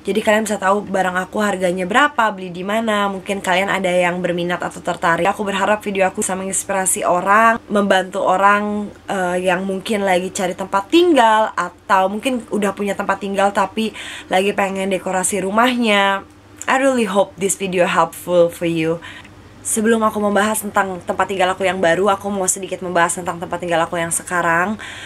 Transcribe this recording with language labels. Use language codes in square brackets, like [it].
[id] Jadi kalian bisa tahu barang aku harganya berapa, beli di mana, mungkin kalian ada yang berminat atau tertarik. Aku berharap video aku bisa menginspirasi orang, membantu orang yang mungkin lagi cari tempat tinggal atau mungkin udah punya tempat tinggal tapi lagi pengen dekorasi rumahnya. [en] I really hope this video helpful for you. [id] Sebelum aku membahas tentang tempat tinggal aku yang baru, aku mau sedikit membahas tentang tempat tinggal aku yang sekarang.